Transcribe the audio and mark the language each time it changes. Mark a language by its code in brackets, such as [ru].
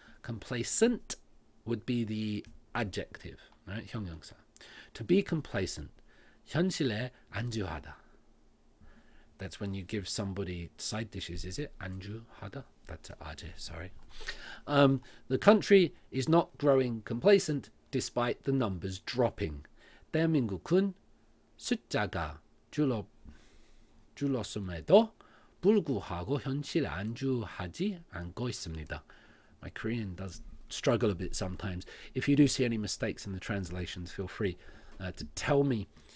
[en] Complacent would be the adjective. Right? 형용사. To be complacent. [ko] 현실에 안주하다. [en] That's when you give somebody side dishes, is it? [ko] Anju hada? [en] That's a aje, sorry. The country is not growing complacent despite the numbers dropping. [ko] 대한민국은 숫자가 줄었음에도 불구하고 현실에 안주하지 않고 있습니다. [en] My Korean does struggle a bit sometimes. If you do see any mistakes in the translations, feel free to tell me.